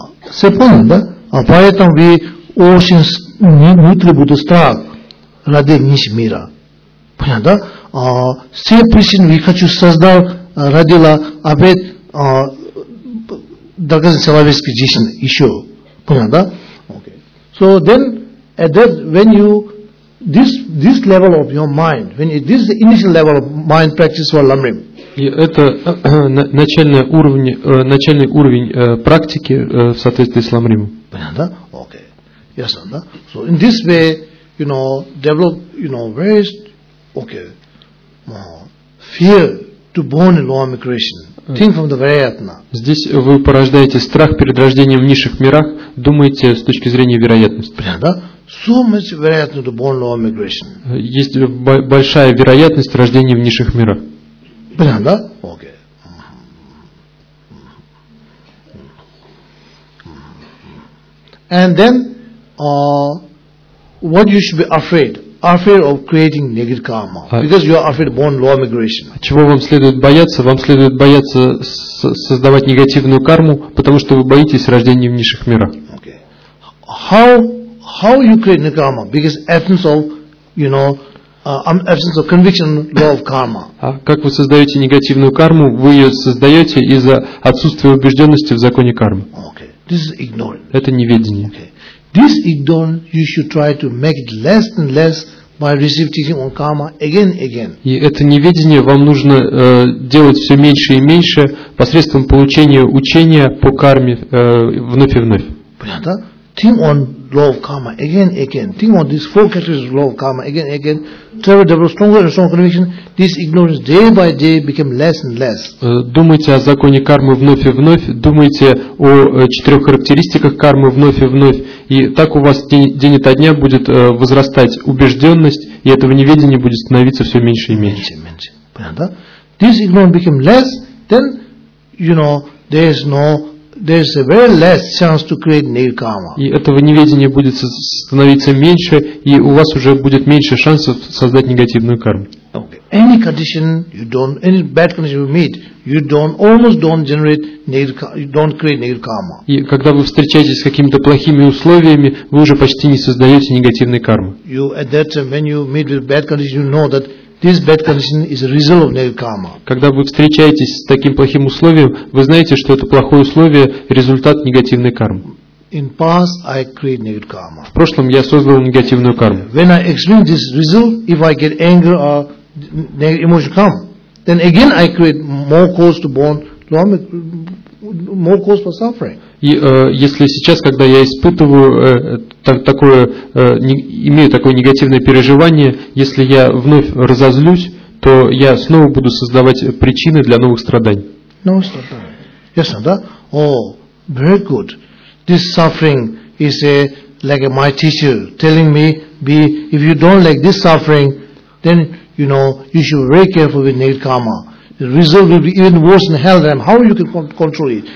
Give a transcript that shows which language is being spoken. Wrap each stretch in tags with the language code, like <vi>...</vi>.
<ru>Все понятно, да? Поэтому вы очень внутренне будете страх ради нищего мира. Понятно, да? Все причины вы хочу создал родила опять доказан человеческий жизнь еще. Понятно, да?</ru> <en>Okay. So then, at that, when you, this level of your mind, when you, this is the initial level of mind practice for Lamrim.</en> <ru>И это начальный уровень практики в соответствии с Ламримом. Понятно, да? Окей. Ясно, да?</ru> <en>So in this way, you know, develop, you know, very, okay, fear to born in lower migration. Think from the vayatna.</en> <ru>Здесь вы порождаете страх перед рождением в низших мирах, думаете с точки зрения вероятности. Понятно, да?</ru> <en>So much</en> <ru>вероятно</ru> <en>to born in lower migration.</en> <ru>Есть большая вероятность рождения в низших мирах. Понятно, да?</ru> <en>Okay. And then, what you should be afraid? Afraid of creating negative karma. Because you are afraid of born lower migration.</en> <ru>Чего вам следует бояться? Вам следует бояться создавать негативную карму, потому что вы боитесь рождения в низших мирах.</ru> <en>Okay. How you create negative karma? Because absence of, you know, absence of conviction law of karma.</en> <ru>А как вы создаете негативную карму? Вы ее создаете из-за отсутствия убежденности в законе кармы.</ru> <en>Okay. This is ignorance.</en> <ru>Это неведение.</ru> <en>Okay. This ignorance you should try to make it less and less by receiving teaching on karma again and again.</en> <ru>И это неведение вам нужно делать все меньше и меньше посредством получения учения по карме вновь и вновь. Понятно?</ru> <en>Think on law of karma again and again. Think on these four categories of law of karma again and again. Travel, develop stronger and stronger conviction. This ignorance day by day became less and less.</en> <ru>Думайте о законе кармы вновь и вновь. Думайте о четырех характеристиках кармы вновь и вновь. И так у вас день ото дня будет возрастать убежденность, и этого неведения будет становиться все меньше и меньше. Меньше, меньше. Понятно?</ru> <en>This ignorance became less, then, you know, there's a very less chance to create negative karma.</en> <ru>И этого неведения будет становиться меньше, и у вас уже будет меньше шансов создать негативную карму.</ru> <en>Okay. Any condition you don't, any bad condition you meet, you don't, almost don't generate negative, you don't create negative karma.</en> <ru>И когда вы встречаетесь с какими-то плохими условиями, вы уже почти не создаете негативной кармы.</ru> <en>You, at that time, when you meet with bad condition, you know that this bad condition is a result of negative karma.</en> <ru>Когда вы встречаетесь с таким плохим условием, вы знаете, что это плохое условие, результат негативной кармы.</ru> <en>In past, I create negative karma.</en> <ru>В прошлом я создал негативную карму.</ru> <en>When I experience this result, if I get anger or negative emotion come, then again I create more cause to born, more cause for suffering.</en> <ru>И если сейчас, когда я испытываю такое, имею такое негативное переживание, если я вновь разозлюсь, то я снова буду создавать причины для новых страданий.</ru> <en>No</en> <ru>страдания. Ясно, да?</ru> <en>Oh, very good. This suffering is a like a my teacher telling me, be if you don't like this suffering, then you know you should be very careful with negative karma. The result will be even worse in hell than how you can control it.</en>